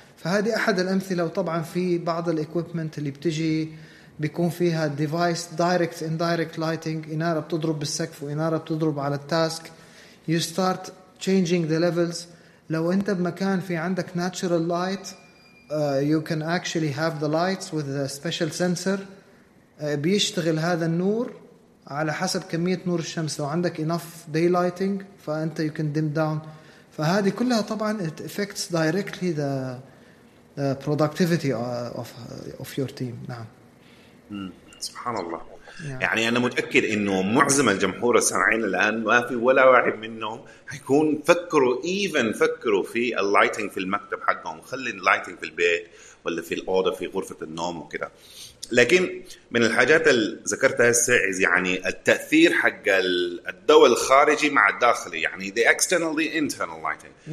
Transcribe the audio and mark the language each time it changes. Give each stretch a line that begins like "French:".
Arabic: فهذه أحد الأمثلة. وطبعا في بعض الإكويبمنت اللي بتجي بيكون فيها ديفايس دايركت اندايركت لايتنج, إنارة بتضرب بالسقف وإنارة بتضرب على التاسك,
English: you start changing the levels. لو أنت بمكان في عندك natural light you can actually have the lights with a special sensor,
Arabic: بيشتغل هذا النور على حسب كمية نور الشمس.
English: لو عندك enough daylighting فأنت you can dim down.
Arabic: فهذه كلها طبعا
English: it affects directly the productivity of your team.
Arabic: نعم. سبحان الله. Yeah. يعني أنا متأكد إنه معظم الجمهور السامعين الآن ما في ولا واحد منهم هيكون فكروا even فكروا في اللايتنج في المكتب حقهم, خلي اللايتنج في البيت ولا في الأوضة في غرفة النوم وكده. لكن من الحاجات اللي ذكرتها السعيز يعني التأثير حق الضوء الخارجي مع الداخلي, يعني
English: the external the internal lighting.